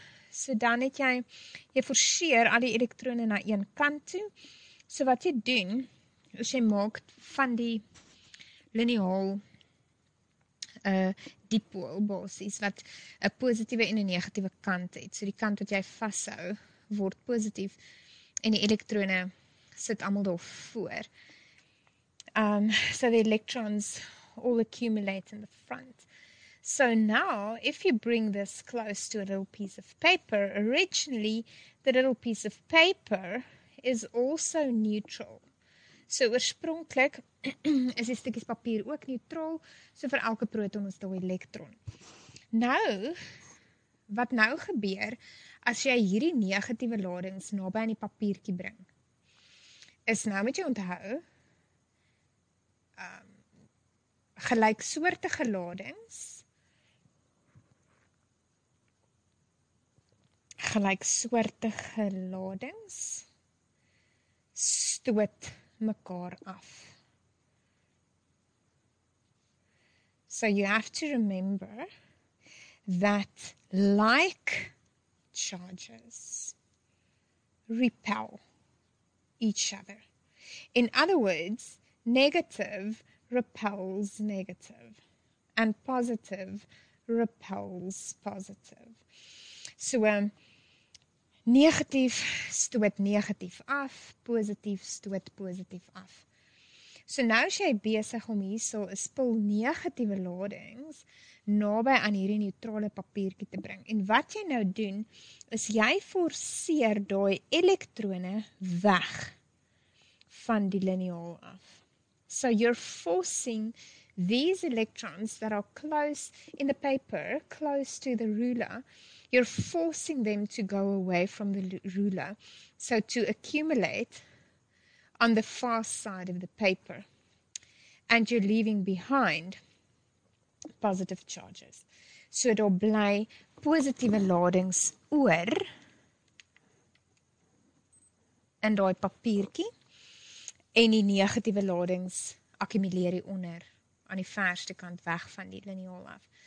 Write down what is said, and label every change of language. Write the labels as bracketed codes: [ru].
[af] So dan het jy forceer al die elektrone na een kant toe. So wat jy doen, is jy maak van die lineaal dipool basis, wat 'n positiewe en 'n negatiewe kant het. So die kant wat jy vashou, word positief, en die elektrone sit allemaal daar voor. [en] So the electrons all accumulate in the front. So now, if you bring this close to a little piece of paper, originally, the little piece of paper is also neutral. [af] So, oorspronklik is die stukkies papier ook neutral, so vir elke proton is daar 'n elektron. Nou, wat nou gebeur, as jy hierdie negatiewe ladings naby aan die papiertjie bring, is nou moet jy onthou, gelyksoortige ladings, gelyksoortige ladings stoot mekaar af. [en] So you have to remember that like charges repel each other. In other words, negative repels negative and positive repels positive. [af] So negatief stoot negatief af, positief stoot positief af. So nou as jy besig om hierso 'n spul negatiewe ladings naby aan hierdie neutrale papiertjie te bring. En wat jy nou doen, is jy forceer daai elektrone weg van die lineaal af. [en] So you're forcing these electrons that are close in the paper, close to the ruler, you're forcing them to go away from the ruler, so to accumulate on the far side of the paper. And you're leaving behind positive charges. [af] So daar bly positiewe ladings oor in daai papiertjie, en die negatiewe ladings akkumuleer hieronder aan die verste kant weg van die lineaal af.